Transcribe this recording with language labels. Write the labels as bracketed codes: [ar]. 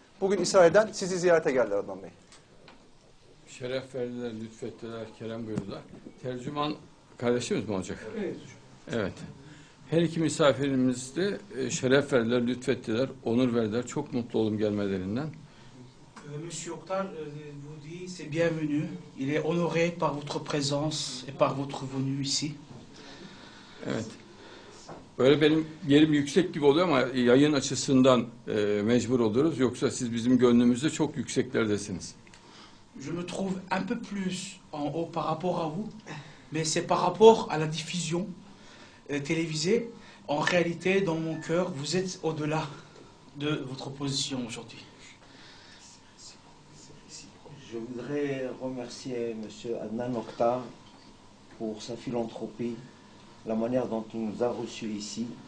[tr] Bugün İsrail'den sizi ziyarete geldiler Adnan Bey. Şeref verdiler, lütfettiler, kerem buyurdular. Tercüman kardeşimiz mi olacak? Evet. Her iki misafirimiz de şeref verdiler, lütfettiler, onur verdiler. Çok mutlu oldum gelmelerinden. [fr] Mes yoktar, vous dit, c'est bienvenu. Il est honoré par votre présence et par votre venue ici. [tr] Evet. Böyle benim yerim yüksek gibi oluyor ama yayın açısından mecbur oluruz. Yoksa siz bizim gönlümüzde çok yükseklerdesiniz. [fr] Je me trouve un peu plus en haut par rapport à vous, mais c'est par rapport à la diffusion télévisée. En réalité, dans mon cœur, vous êtes au-delà de votre position aujourd'hui. Je voudrais remercier M. Adnan Oktar pour sa philanthropie, la manière dont il nous a reçus ici.